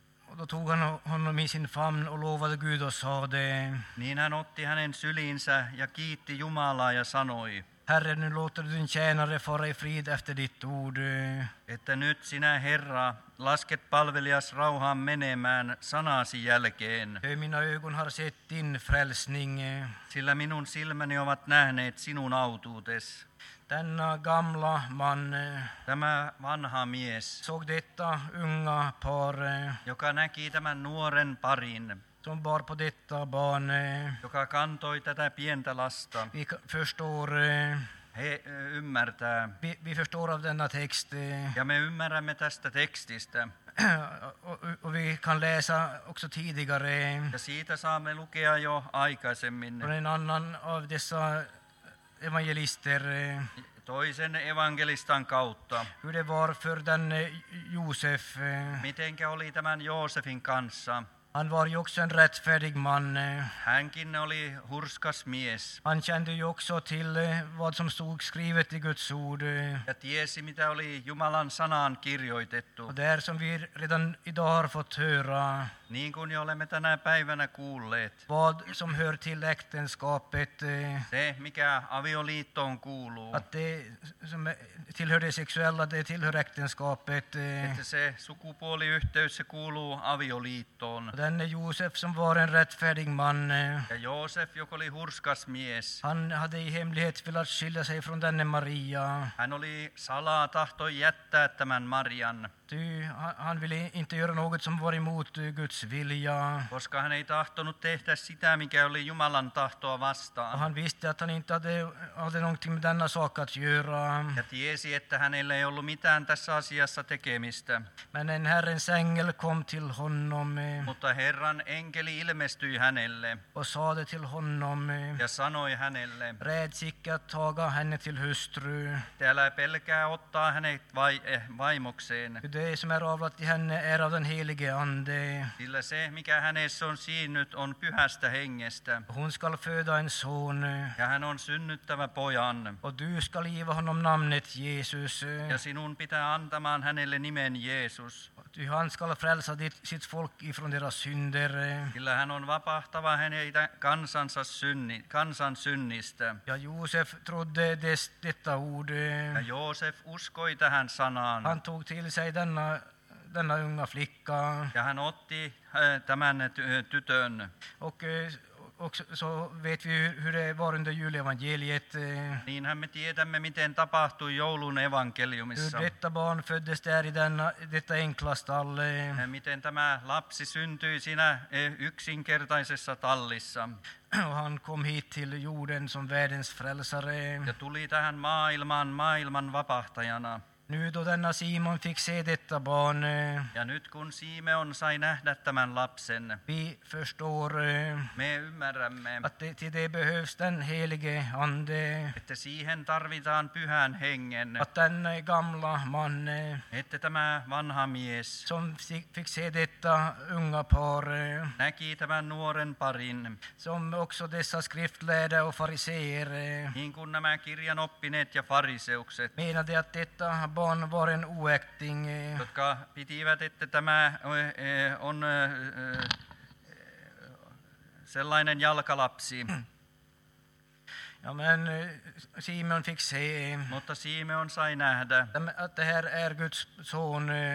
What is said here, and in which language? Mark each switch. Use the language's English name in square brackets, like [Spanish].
[Swedish] Och då tog han honom i sin famn och lovade Gud och sa det. [Finnish] Niin hän otti hänen syliinsä ja kiitti Jumalaa ja sanoi. [Swedish] Herre, nu låter du din tjänare fara i frid efter ditt ord. [Finnish] Että nyt sinä, Herra, lasket palvelias rauhaan menemään sanasi jälkeen. [Swedish] Mina ögon har sett din frälsning. [Finnish] Sillä minun silmäni ovat nähneet sinun autuutes. [Swedish] Denna gamla man, [Finnish] tämä vanha mies, [Swedish] såg detta unga par, [Finnish] joka näki tämän nuoren parin, [Swedish] som bar på detta barn, [Finnish] joka kantoi tätä pientä lasta. [Swedish] Vi förstår, [Finnish] he ymmärtää. [Swedish] Vi förstår av denna text, [Finnish] ja me ymmärrämme tästä tekstistä. [Swedish] Och vi kan läsa också tidigare. [Finnish] Ja siitä saamme lukea jo aikaisemmin. [Swedish] Från en annan av dessa evangelister, [Finnish] toisen evangelistan kautta. [Swedish] Hur det var för den Josef. [Finnish] Mitenkä oli tämän Joosefin kanssa? [Swedish] Han var ju också en rättfärdig man. [Finnish] Hänkin oli hurskas mies. [Swedish] Han kände ju också till vad som stod skrivet i Guds ord. [Finnish] Ja tiesi, mitä oli Jumalan sanaan kirjoitettu. [Swedish] Och det som vi redan idag har fått höra. [Finnish] Niin kuin jo olemme tänä päivänä kuulleet. [Swedish] Vad som hör till äktenskapet. [Finnish] Se, mikä avioliittoon kuuluu. [Swedish] Att det som tillhör det sexuella, det tillhör äktenskapet. [Finnish] Että se sukupuoliyhteys, se kuuluu avioliittoon. [Swedish] Denne Josef som var en rättfärdig man. [Finnish] Ja Josef, joka oli hurskas mies. [Swedish] Han hade i hemlighet velat skilja sig från denne Maria. [Finnish] Hän oli salaa tahtoi jättää tämän Marian. [Swedish] Han ville inte göra något som var emot Guds vilja. [Finnish] Koska hän ei tahtonut tehdä sitä, mikä oli Jumalan tahtoa vastaan. [Swedish] Han visste att han inte hade någonting med denna sak att göra. [Finnish] Ja tiesi, että hänellä ei ollut mitään tässä asiassa tekemistä. [Swedish] Men en Herrens ängel kom till honom. [Finnish] Mutta Herran enkeli ilmestyi hänelle. [Swedish] Och sade till honom. [Finnish] Ja sanoi hänelle. [Swedish] Räds icke att taga henne till hustru. [Finnish] Älä pelkää ottaa hänet vaimokseen. [Swedish] Det som är avlat i henne är av den helige ande. [Finnish] Sillä se, mikä hänessä on siinnyt, on pyhästä hengestä. [Swedish] Hon skall föda en son. [Finnish] Ja hän on synnyttävä pojan. [Swedish] Och du skall giva honom namnet Jesus. [Finnish] Ja sinun pitää antamaan hänelle nimen Jeesus. [Swedish] Ty han skall frälsa sitt folk ifrån deras synder. [Finnish] Sillä hän on vapahtava hänen kansansa kansan synnistä. [Swedish] Ja Josef trodde detta ord. [Finnish] Ja Josef uskoi tähän sanaan. [Swedish] Han tog till sig denna unga flicka. [Finnish] Ja hän otti tämän tytön. [Swedish] Och så vet vi hur det var under julevangeliet. [Finnish] Niinhän me tiedämme, miten tapahtui joulun evankeliumissa. [Swedish] Hur detta barn föddes där i detta enkla stall. [Finnish] Miten tämä lapsi syntyi siinä yksinkertaisessa tallissa. [Swedish] Och han kom hit till jorden som världens frälsare. [Finnish] Ja tuli tähän maailmaan maailman vapahtajana. [Swedish] Nu då denna Simon fick se detta barn. [Finnish] Ja nyt kun Simon sai nähdä tämän lapsen. [Swedish] Vi förstår. [Finnish] Me ymmärrämme. [Swedish] Att det behövs den helige ande. [Finnish] Että siihen tarvitaan pyhän hengen. [Swedish] Att den gamla man. [Finnish] Että tämä vanha mies. [Swedish] Som fick se detta unga par. [Finnish] Näki tämän nuoren parin. [Swedish] Som också dessa skriftlärda och fariseer. [Finnish] Niin kuin nämä kirjanoppineet ja fariseukset. [Swedish] Meinade att detta barn var en oäkting. [Finnish] Jotka pitivät, että tämä on sellainen jalkalapsi. [Swedish] Ja, men Simon fick se. [Finnish] Mutta Simon sai nähdä. [Swedish] Att det här är Guds son.